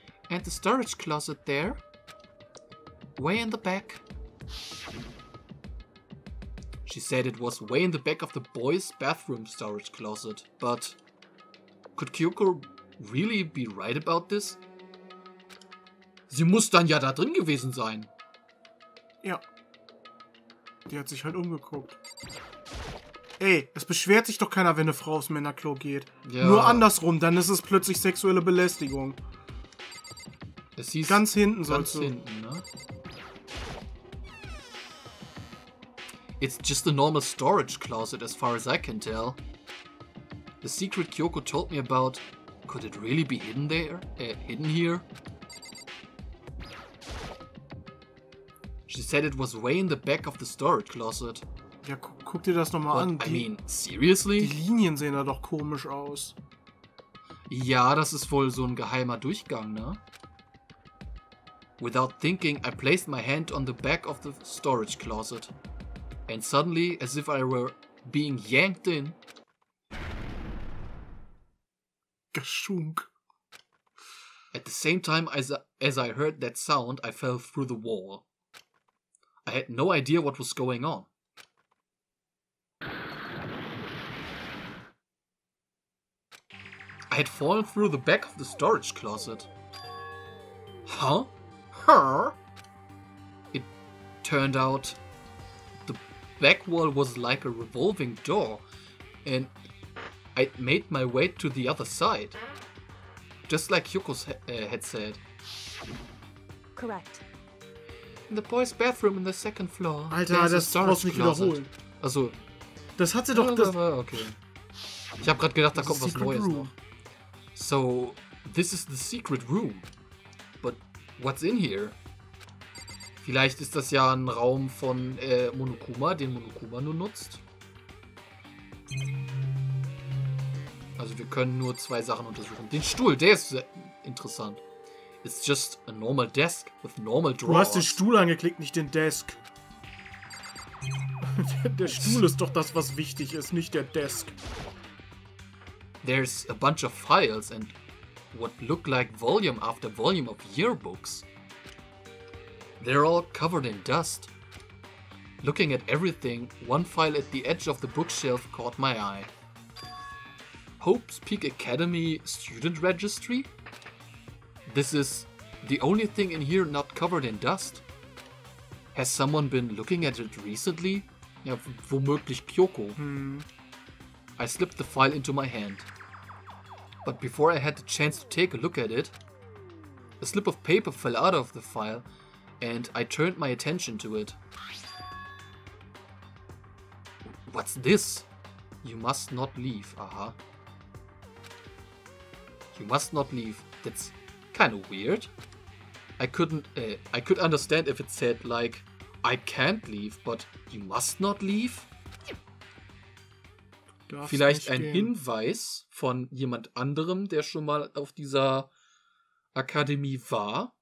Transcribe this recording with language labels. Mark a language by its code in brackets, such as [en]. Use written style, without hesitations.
[en] And the storage closet there, way in the back. She said it was way in the back of the boys' bathroom storage closet, but could Kyoko really be right about this? [de] Sie muss dann ja da drin gewesen sein. Ja. Die hat sich halt umgeguckt. Ey, es beschwert sich doch keiner, wenn eine Frau aufs Männerklo geht. Ja. Nur andersrum, dann ist es plötzlich sexuelle Belästigung. Es hieß, ganz hinten sollst du. Ganz hinten, ne? [en] It's just a normal storage closet, as far as I can tell. The secret Kyoko told me about, could it really be hidden there? Hidden here? She said it was way in the back of the storage closet. [de] Ja, guck dir das nochmal an. [en] I mean, seriously? [de] Die Linien sehen da doch komisch aus. Ja, das ist wohl so ein geheimer Durchgang, ne? [en] Without thinking, I placed my hand on the back of the storage closet. And suddenly, as if I were being yanked in. Gashunk. At the same time as I heard that sound, I fell through the wall. I had no idea what was going on. I had fallen through the back of the storage closet. Huh? Huh? It turned out the back wall was like a revolving door, and I made my way to the other side. Just like Yoko had said. Correct. In the boys' bathroom in the second floor. [de] Alter, das musst du nicht wiederholen. Also, das hat sie doch. Das okay. Ich hab grad gedacht, da kommt was Neues noch. [en] So, this is the secret room. But what's in here? [de] Vielleicht ist das ja ein Raum von Monokuma, den Monokuma nur nutzt. Also wir können nur zwei Sachen untersuchen. Den Stuhl, der ist interessant. [en] It's just a normal desk with normal drawers. [de] Du hast den Stuhl angeklickt, nicht den Desk. Der Stuhl ist doch das, was wichtig ist, nicht der Desk. [en] There's a bunch of files and what look like volume after volume of yearbooks. They're all covered in dust. Looking at everything, one file at the edge of the bookshelf caught my eye. Hope's Peak Academy Student Registry? This is the only thing in here not covered in dust. Has someone been looking at it recently? [de] Ja, womöglich [en] Kyoko. I slipped the file into my hand. But before I had the chance to take a look at it, a slip of paper fell out of the file and I turned my attention to it. What's this? You must not leave, aha. You must not leave. That's kind of weird. I could understand if it said, like, I can't leave, but you must not leave? [de] Vielleicht ein Hinweis von jemand anderem, der schon mal auf dieser Akademie war.